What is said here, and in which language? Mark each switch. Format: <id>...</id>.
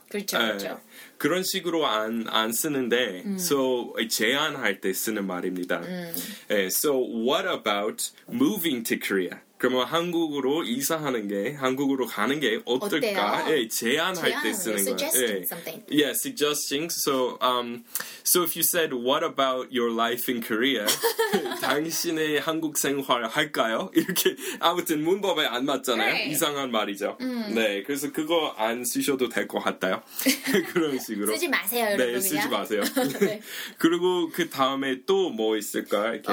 <ko>그렇죠. 그렇죠. 그런 식으로 안 쓰는데, so 제안할 때 쓰는 말입니다.</ko> <en>Yeah, so what about moving to Korea?</en> <ko>그러면 한국으로 이사하는 게, 한국으로 가는 게 어떨까? 어때요? 예, 제안할 때 쓰는 거예요.</ko> <en>Suggesting 예. something. Yeah, suggesting. So if you said, what about your life in Korea?</en> <ko>당신의 한국 생활 할까요? 이렇게 아무튼 문법에 안 맞잖아요. 이상한 말이죠. 네, 그래서 그거 안 쓰셔도 될 것 같아요. 그런 식으로. 쓰지 마세요, 여러분. 네, 쓰지 마세요. 네. 그리고 그 다음에 또 뭐 있을까? 이렇게.</ko>